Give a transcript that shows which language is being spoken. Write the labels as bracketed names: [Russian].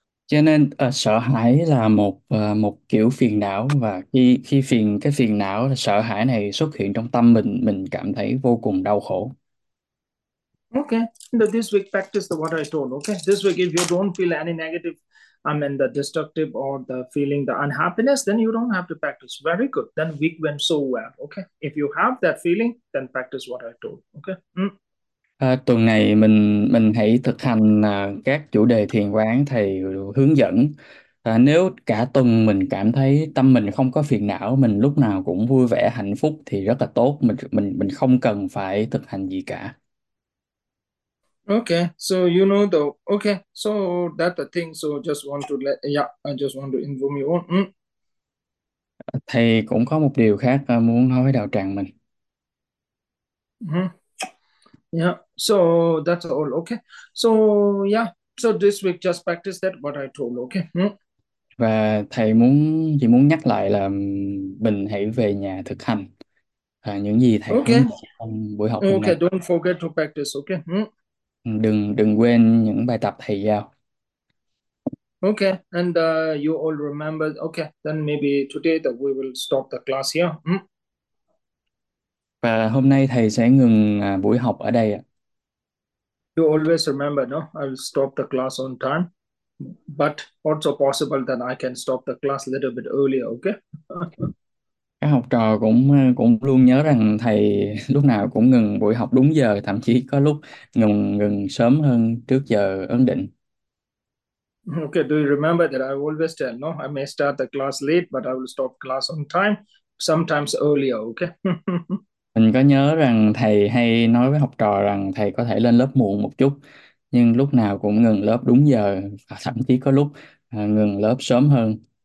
[Vietnamese] Cho nên sợ hãi là một một kiểu phiền não, và khi khi phiền cái phiền não là sợ hãi này xuất hiện trong tâm mình cảm thấy vô cùng đau khổ. [English] Okay. This week, practice the what I told. Okay. This week, if you don't feel any negative, I mean the destructive or the feeling, the unhappiness, then you don't have to practice. Very good. Then week went so well. Okay. If you have that feeling, then practice what I told. Okay. [Vietnamese] Tuần này mình hãy thực hành các chủ đề thiền quán thầy hướng dẫn. Nếu cả tuần mình cảm thấy tâm mình không có phiền não, mình lúc nào cũng vui vẻ hạnh phúc thì rất là tốt, mình không cần phải thực hành gì cả. [English] Okay, so you know the okay, so that the thing, so just want to let, yeah, I just want to inform you all. [Vietnamese] Thầy cũng có một điều khác muốn nói với đạo tràng mình. [English] Yeah, so that's all. Okay, so yeah, so this week just practice that what I told. Okay. [Vietnamese] Và thầy muốn chỉ muốn nhắc lại là mình hãy về nhà thực hành những gì thầy hướng [English] Okay, [Vietnamese] dẫn trong buổi học hôm nay. [English] don't forget to practice. Okay. [Vietnamese] Đừng đừng quên những bài tập thầy giao. [English] Okay, and you all remember. Okay, then maybe today that we will stop the class here. [Vietnamese] Và hôm nay thầy sẽ ngừng buổi học ở đây ạ. [English] You always remember, no? I'll stop the class on time, but also possible that I can stop the class a little bit earlier. Okay. [Vietnamese] Các học trò cũng cũng luôn nhớ rằng thầy lúc nào cũng ngừng buổi học đúng giờ, thậm chí có lúc ngừng ngừng sớm hơn trước giờ ấn định. [English] Okay, do you remember that I always tell, no, I may start the class late, but I will stop class on time, sometimes earlier, okay? [Vietnamese] Mình có nhớ rằng thầy hay nói với học trò rằng thầy có thể lên lớp muộn một chút, nhưng lúc nào cũng ngừng lớp đúng giờ, thậm chí có lúc ngừng lớp sớm hơn.